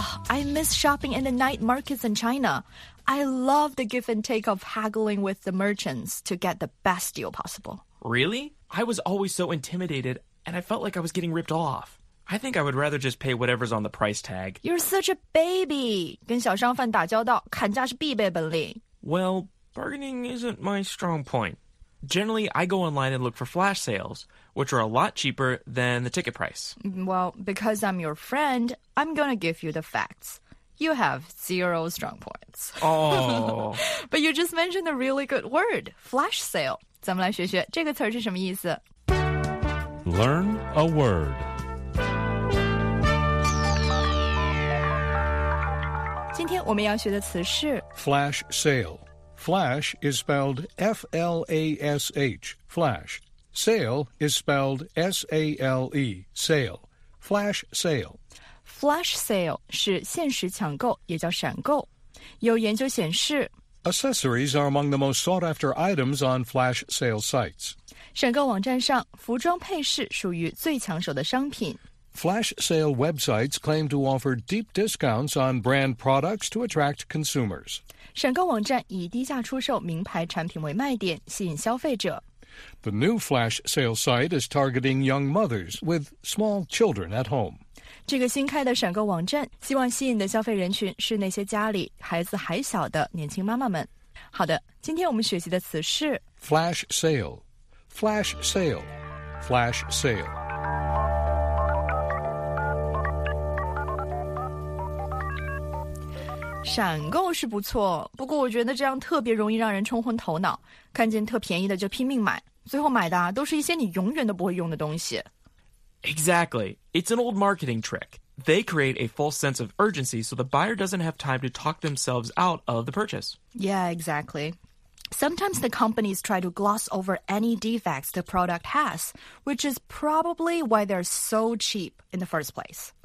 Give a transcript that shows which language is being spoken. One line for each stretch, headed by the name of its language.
English: I miss shopping in the night markets in China. I love the give and take of haggling with the merchants to get the best deal possible. Really? I was always so intimidated, and I felt like I was getting ripped off. I think I would rather just pay whatever's on the price tag. You're such a baby!
Chinese: 跟小商贩打交道，砍价是必备本领。
English: Well, bargaining isn't my strong point. Generally, I go online and look for flash sales,which are a lot cheaper than the ticket price. Well, because I'm your friend, I'm going to give you the facts. You have zero strong points. Oh. But you just mentioned a really good word, flash sale.
Chinese: 咱们来学学这个词是什么意思。
English: Learn a word.
Chinese: 今天我们要学的词是
English: flash sale. Flash is spelled F-L-A-S-H, flash. Sale is spelled S-A-L-E, sale, flash sale.
Chinese: Flash sale 是限时抢购，也叫闪购。有研究显示
English: ，Accessories are among the most sought-after items on flash sale sites.
Chinese: 闪购网站上，服装配饰属于最抢手的商品。
English: flash sale websites claim to offer deep discounts on brand products to attract consumers.
Chinese: 选购网站以低价出售名牌产品为卖点，吸引消费者。
English: The new flash sale site is targeting young mothers with small children at home.
Chinese: 这个新开的选购网站希望吸引的消费人群是那些家里孩子还小的年轻妈妈们。好的，今天我们学习的词是
English: flash sale, flash sale, flash sale.
Chinese: 闪购是不错，不过我觉得这样特别容易让人冲昏头脑，看见特便宜的就拼命买，最后买的都是一些你永远都不会用的东西。
English: Exactly. It's an old marketing trick. They create a false sense of urgency so the buyer doesn't have time to talk themselves out of the purchase. Yeah, exactly. Sometimes the companies try to gloss over any defects the product has, which is probably why they're so cheap in the first place.